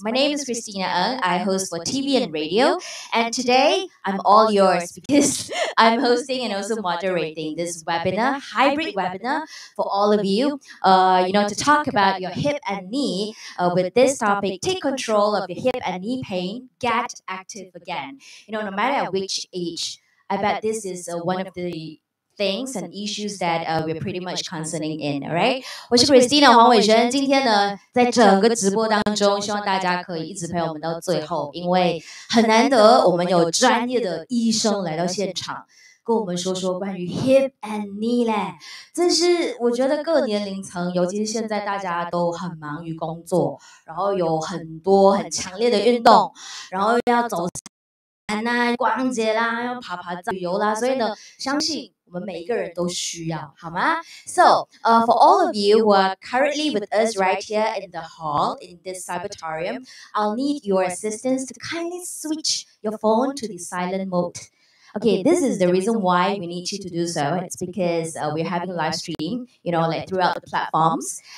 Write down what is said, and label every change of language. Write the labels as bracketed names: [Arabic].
[English] My name is Christina Ng. I host for TV and radio. And today, I'm all yours because I'm hosting and also moderating this webinar, hybrid webinar for all of you, you know, to talk about your hip and knee with this topic, take control of your hip and knee pain, get active again. You know, no matter which age, I bet this is one of the things and issues that we're pretty much concerning in, all right? [Chinese] 我是 Christina 黄伟轩，今天呢，在整个直播当中，希望大家可以一直陪我们到最后，因为很难得我们有专业的医生来到现场，跟我们说说关于 hip and knee 嘞。这是我觉得各年龄层，尤其是现在大家都很忙于工作，然后有很多很强烈的运动，然后要走山啊、逛街啦，要爬爬山、旅游啦，所以呢，相信 我们每个人都需要，好吗？ [English] So, for all of you who are currently with us right here in the hall, in this cyberatorium, I'll need your assistance to kindly switch your phone to the silent mode. Okay, this is the reason why we need you to do so. It's because we're having live stream, you know, like throughout the platforms.